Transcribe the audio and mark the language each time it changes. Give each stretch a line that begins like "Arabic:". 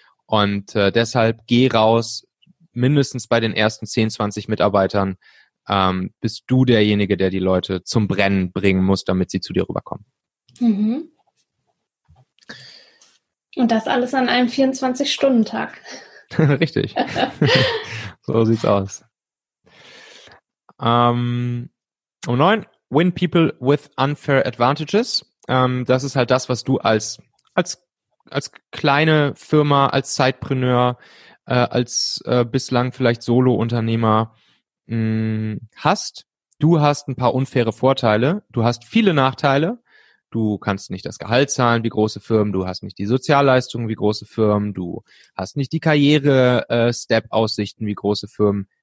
German: Und deshalb geh raus, mindestens bei den ersten 10, 20 Mitarbeitern bist du derjenige, der die Leute zum Brennen bringen muss, damit sie zu dir rüberkommen. Mhm. Und das alles an einem 24-Stunden-Tag. Richtig. So sieht's aus. Um 9,
English: win people with unfair advantages.
German: Das ist halt das, was du als kleine Firma, als Zeitpreneur, als bislang vielleicht Solo-Unternehmer hast. Du hast ein paar unfaire Vorteile, du hast viele Nachteile. Du kannst nicht das Gehalt zahlen wie große Firmen, du hast nicht die Sozialleistungen wie große Firmen, du hast nicht die Karriere-Step-Aussichten wie große Firmen.